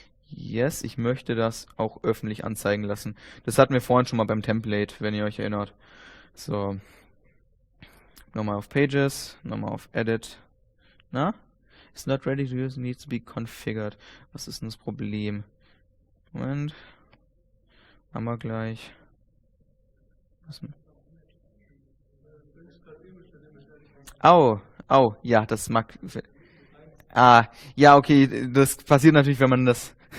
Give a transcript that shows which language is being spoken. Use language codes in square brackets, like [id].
[de] Yes, ich möchte das auch öffentlich anzeigen lassen. Das hatten wir vorhin schon mal beim Template, wenn ihr euch erinnert. So, nochmal auf Pages, nochmal auf Edit. Na? [en] It's not ready to use, needs to be configured. [de] Was ist denn das Problem? Moment. Haben wir gleich. Au, ja, das mag... ja, okay, das passiert natürlich, wenn man das...